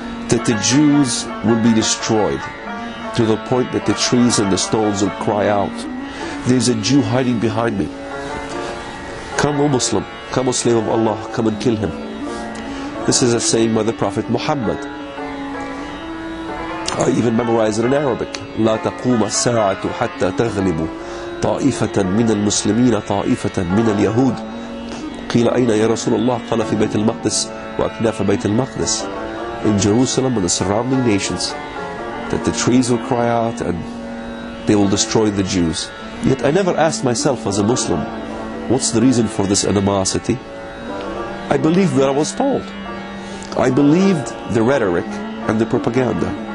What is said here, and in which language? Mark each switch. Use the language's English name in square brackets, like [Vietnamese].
[English] That the Jews will be destroyed to the point that the trees and the stones will cry out, there's a Jew hiding behind me. Come, O Muslim, come, O slave of Allah, come and kill him. This is a saying by the Prophet Muhammad. I even memorize it in Arabic. [Arabic] لا تقوم الساعة حتى تغلب طائفة من المسلمين طائفة من اليهود. قيل أين يا رسول الله؟ قال في بيت المقدس وأكناف بيت المقدس. [English] In Jerusalem and the surrounding nations, that the trees will cry out and they will destroy the Jews. Yet I never asked myself as a Muslim, what's the reason for this animosity? I believed what I was told. I believed the rhetoric and the propaganda.